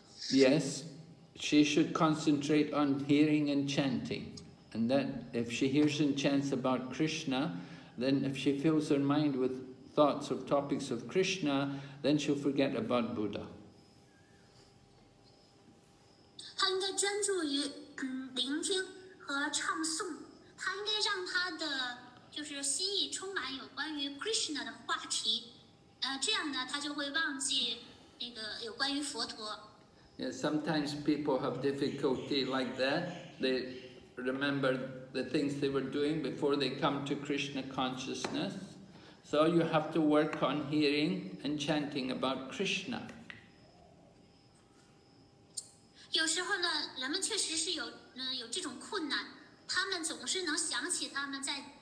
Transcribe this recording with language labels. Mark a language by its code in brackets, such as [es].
[en] Yes, she should concentrate on hearing and chanting. And that if she hears and chants about Krishna, then if she fills her mind with thoughts of topics of Krishna, then she'll forget about Buddha. [zh] 她应该专注于聆听和唱诵，她应该让她的就是心意充满有关于 Krishna 的话题，这样呢，他就会忘记那个有关于佛陀。 [en] Yeah, sometimes people have difficulty like that. They remember the things they were doing before they come to Krishna consciousness. So you have to work on hearing and chanting about Krishna. [zh] 有时候呢，人们确实是有这种困难，他们总是能想起他们在。